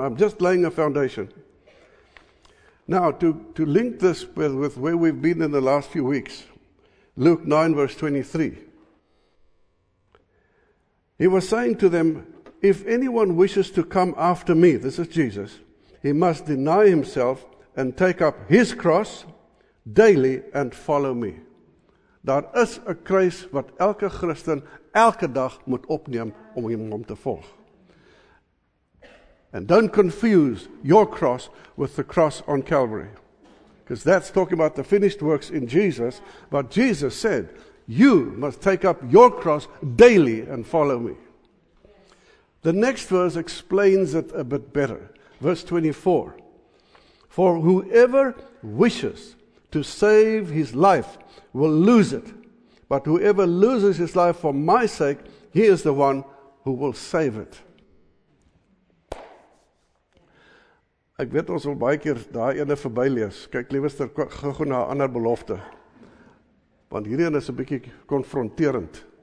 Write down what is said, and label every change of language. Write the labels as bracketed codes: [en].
[en] I'm just laying a foundation. Now, to link this with where we've been in the last few weeks, Luke 9, verse 23. He was saying to them, if anyone wishes to come after me, this is Jesus, he must deny himself and take up his cross daily and follow me. [af] Daar is 'n kruis wat elke Christen elke dag moet opneem om hom te volg. [en] And don't confuse your cross with the cross on Calvary. Because that's talking about the finished works in Jesus. But Jesus said, you must take up your cross daily and follow me. The next verse explains it a bit better. Verse 24. For whoever wishes to save his life will lose it. But whoever loses his life for my sake, he is the one who will save it. [af] Ek weet ons al baie keer daai ene verby lees. Kyk liewester gou na 'n ander belofte. Want hierdie een is 'n bietjie konfronterend.